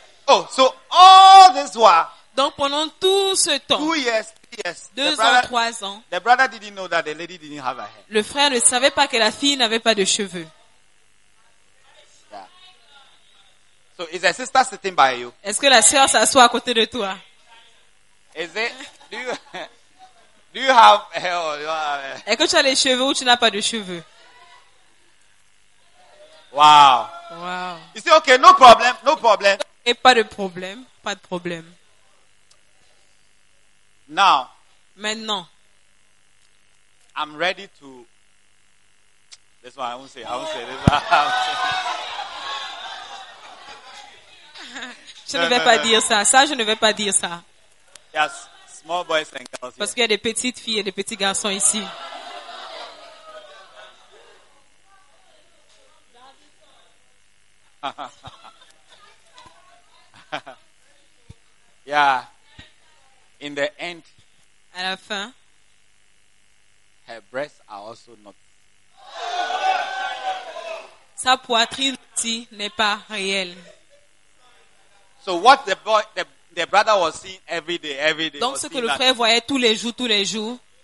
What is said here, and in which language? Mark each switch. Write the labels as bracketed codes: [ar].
[en] Oh, so all this while. [fr] Donc pendant tout ce temps. [en] 2 years, 3 years. [fr] Deux ans, trois ans. [en] The brother didn't know that the lady didn't have a hair. [fr] Le frère ne savait pas que la fille n'avait pas de cheveux. [en] Yeah. So is a sister sitting by you? [fr] Est-ce que la sœur s'assoit à côté de toi? [en] Is it? Do you have hair or you have hair? [fr] Est-ce que tu as les cheveux ou tu n'as pas de cheveux? [en] Wow. Wow. You say okay, no problem, no problem. [fr] Et pas de problème, pas de problème. [en] Now. [fr] Maintenant. [en] I'm ready to. That's why I won't say. I won't say. That's why I won't say. [fr] Je ne vais pas dire ça. Ça, je ne vais pas dire ça. [en] Yes, small boys and girls. [fr] Parce qu'il y a des petites filles et des petits garçons ici. [en] Yeah. In the end, [fr] à la fin, [en] her breasts are also not. [fr] Sa poitrine aussi n'est pas réelle. [en] So what the boy, the brother was seeing every day. [fr] Donc ce que le frère voyait tous les jours,